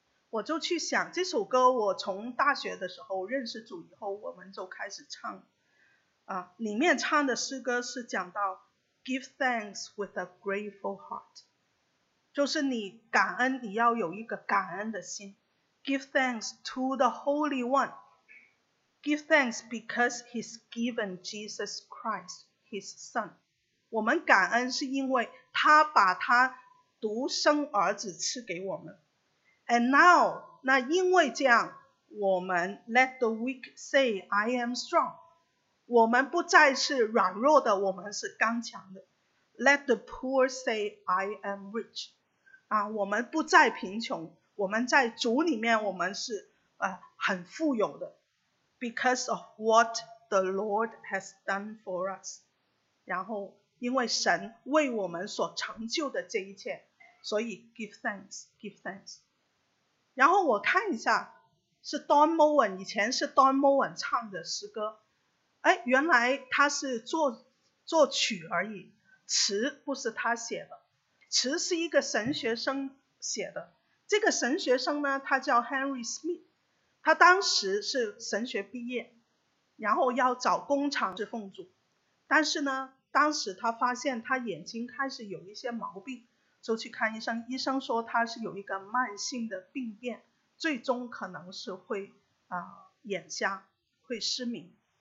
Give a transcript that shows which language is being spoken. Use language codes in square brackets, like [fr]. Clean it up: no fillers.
[zh] 我就去想这首歌，我从大学的时候认识主以后我们就开始唱啊，里面唱的诗歌是讲到 [en] Give Thanks with a grateful heart， [zh] 就是你感恩，你要有一个感恩的心。 [en] Give thanks to the Holy One. Give thanks because He's given Jesus Christ, His Son. [zh] 我们感恩是因为他把他独生儿子赐给我们。 [en] And now, [zh] 那因为这样，我们 [en] let the weak say, I am strong. [zh] 我们不再是软弱的，我们是刚强的。 [en] Let the poor say, I am rich. [zh] 啊，我们不再贫穷，我们在主里面我们是很富有的。 [en] Because of what the Lord has done for us， [zh] 然后因为神为我们所成就的这一切，所以 [en] give thanks， give thanks。 [zh] 然后我看一下是 Don Moen， 以前是 Don Moen 唱的诗歌，哎，原来他是 作曲而已，词不是他写的，词是一个神学生写的。这个神学生呢，他叫 Henry Smith， 他当时是神学毕业，然后要找工厂去奉主，但是呢，当时他发现他眼睛开始有一些毛病，就去看医生，医生说他是有一个慢性的病变，最终可能是会眼瞎，会失明。